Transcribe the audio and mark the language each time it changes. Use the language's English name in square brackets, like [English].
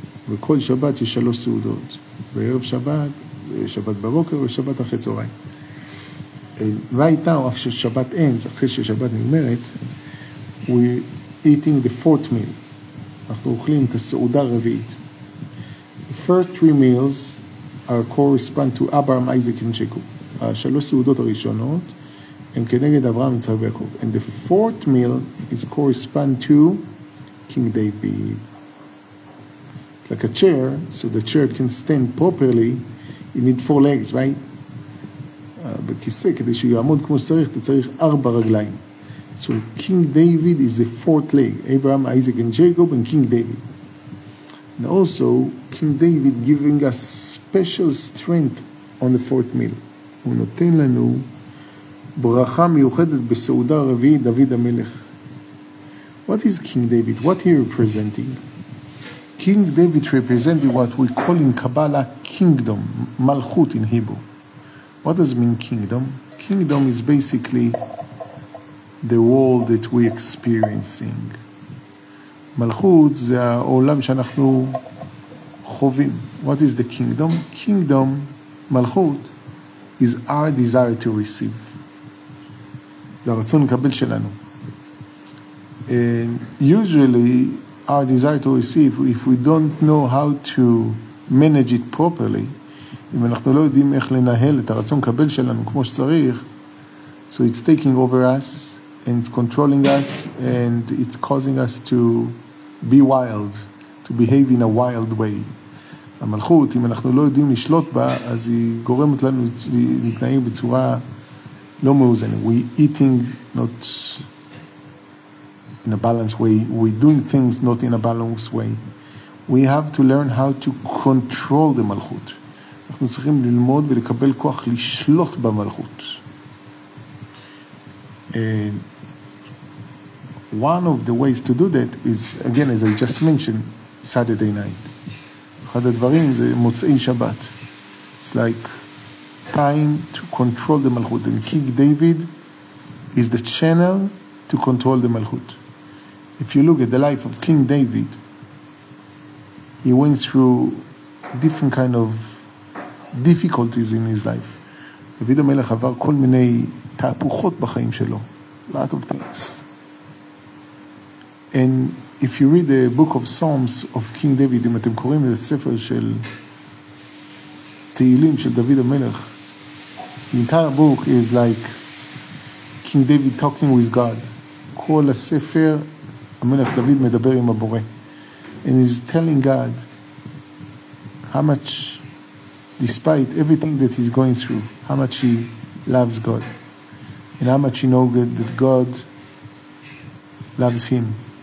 [Hebrew] וכל שבת יש שלוש סעודות. בערב שבת, שבת בבוקר ושבת אחרי צהריים. [English] Right now, after Shabbat ends, [Hebrew] אחרי ששבת נגמרת, [English] we're eating the fourth meal. [Hebrew] אנחנו אוכלים את הסעודה הרביעית. [English] The first three meals are correspond to Abraham, Isaac and Jacob. [Hebrew] השלוש סעודות הראשונות הם כנגד אברהם, יצחק ויעקב. [English] And the fourth meal is correspond to King David. Like a chair, so the chair can stand properly, you need four legs, right? [Hebrew] בכיסא, כדי שהוא יעמוד כמו שצריך, אתה צריך ארבע רגליים. [English] So King David is the fourth leg, Abraham, Isaac and Jacob and King David. And also, King David giving us special strength on the fourth meal. [Hebrew] הוא נותן לנו ברכה מיוחדת בסעודה הרביעית, דוד המלך. [English] What is King David? What he representing? King David represented what we call in Kabbalah kingdom, malchut in Hebrew. What does it mean kingdom? Kingdom is basically the world that we're experiencing. [Hebrew] Malchut זה העולם שאנחנו חווים. [English] What is the kingdom? Kingdom, malchut, is our desire to receive. [Hebrew] זה הרצון לקבל שלנו. [English] And usually, our desire to receive, if we don't know how to manage it properly, [Hebrew] אם אנחנו לא יודעים איך לנהל את הרצון לקבל שלנו כמו שצריך, [English] so it's taking over us, and it's controlling us, and it's causing us to be wild, to behave in a wild way. [Hebrew] המלכות, אם אנחנו לא יודעים לשלוט בה, אז היא גורמת לנו להתנהג בצורה לא מאוזנת. [English] We eating not in a balanced way, we doing things not in a balanced way. We have to learn how to control the מלכות. [Hebrew] אנחנו צריכים ללמוד ולקבל כוח לשלוט במלכות. [English] One of the ways to do that is, again, as I just mentioned, Saturday night. [Hebrew] אחד הדברים זה מוצאי שבת. [English] It's like time to control the מלכות. And King David is the channel to control the מלכות. If you look at the life of King David, he went through different kind of difficulties in his life. [Hebrew] David המלך עבר כל מיני תהפוכות בחיים שלו. [English] Lot of things. And if you read the book of Psalms of King David, [Hebrew] אם אתם קוראים את הספר של תהילים של דוד המלך, [English] the entire book is like King David talking with God. [Hebrew] כל הספר, המלך דוד מדבר עם הבורא. [English] And he's telling God how much, despite everything that he's going through, how much he loves God, and how much he knows that God loves him.